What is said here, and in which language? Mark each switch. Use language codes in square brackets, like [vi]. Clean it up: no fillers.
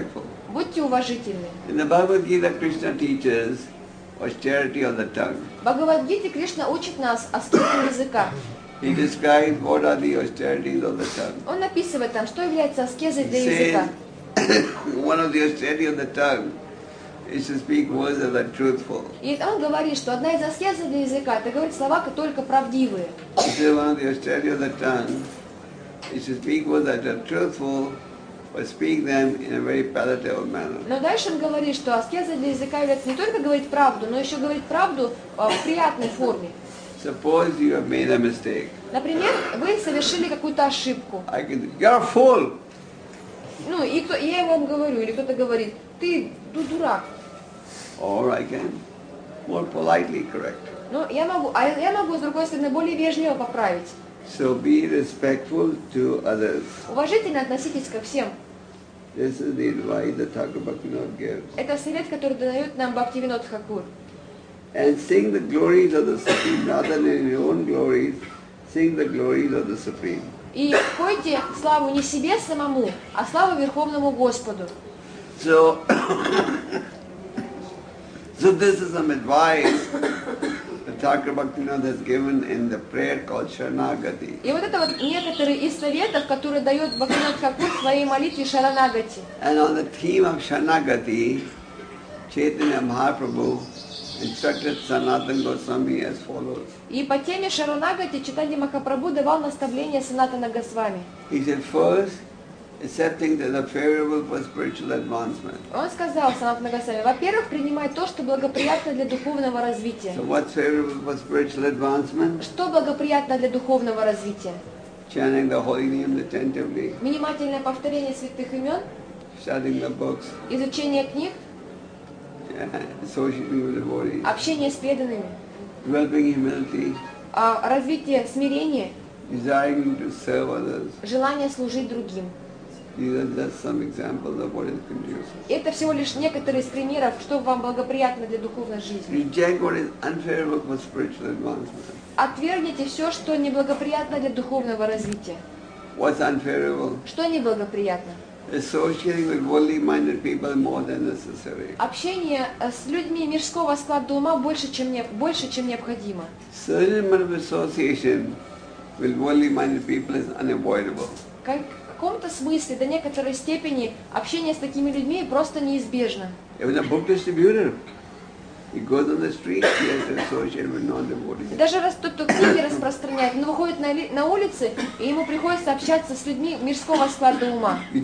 [en] Be respectful. [ru] Будьте уважительны. [en] In the Bhagavad Gita, Krishna teaches austerity of the tongue. [ru] Бхагавад-гите Кришна учит нас аскезе языка. [en] He describes what are the austerities of the tongue. [ru] Он описывает там, что является аскезой для языка. [en] One of the austerities of the tongue is to speak words that are truthful. [ru] И он говорит, что одна из аскез для языка – это говорить слова, которые только правдивые. [en] He says one of the austerities of the tongue is to speak words that are truthful. But speak them in a very palatable manner. [ru] Но дальше он говорит, что аскеза для языка является не только говорить правду, но еще говорить правду в приятной форме. [en] Suppose you have made a mistake. [ru] Например, вы совершили какую-то ошибку. [en] I can, you're a fool. [ru] Ну и кто, я вам говорю, или кто-то говорит, ты дурак. [en] Or I can more politely correct. [ru] Ну я могу с другой стороны более вежливо поправить. [en] So be respectful to others. [ru] Уважительно относитесь ко всем. [en] This is the advice that Thakur Bhaktivinoda gives. [ru] Это совет, который дает нам Бхактивинод Хакур. [en] And sing the glories of the Supreme, rather than your own glories. Sing the glories of the Supreme. [ru] И пойте славу не себе самому, а славу Верховному Господу. [en] So, so this is some advice. Thakur Bhaktivinoda has given in the prayer called Sharanagati. [ru] И вот это вот некоторые из советов, которые дает Бхактивинода Хакур в своей молитве Шаранагати. [en] And on the theme of Sharanagati, Chaitanya Mahaprabhu instructed Sanatan Goswami as follows. [ru] И по теме Шаранагати Чайтанья Махапрабху давал наставление Санатана Госвами. [en] He said first, accepting that are favorable for spiritual advancement. [ru] Он сказал Санатана Госвами, во-первых, принимай то, что благоприятно для духовного развития. [en] So what's favorable for spiritual advancement? [ru] Что благоприятно для духовного развития? [en] Chanting the holy names attentively. [ru] Внимательное повторение святых имен. [en] Studying the books. [ru] Изучение книг. [en] Associating with devotees. [ru] Общение с преданными. [en] Developing humility. [ru] Развитие смирения. [en] Desiring to serve others. [ru] Желание служить другим. [en] These are just some examples of what is conducive. [ru] Это всего лишь некоторые из примеров, что вам благоприятно для духовной жизни. [en] Reject what is unfavorable for spiritual advancement. [ru] Отвергните все, что неблагоприятно для духовного развития. [en] What's unfavorable? [ru] Что неблагоприятно? [en] Associating with worldly-minded people more than necessary. [ru] Общение с людьми мирского склада ума больше, чем необходимо. [en] Certain amount of association with worldly-minded people is unavoidable. [ru] Как каком-то смысле, до некоторой степени, общение с такими людьми просто неизбежно. Даже раз тот, кто книги распространяет, он выходит на улице, и ему приходится общаться с людьми мирского склада ума.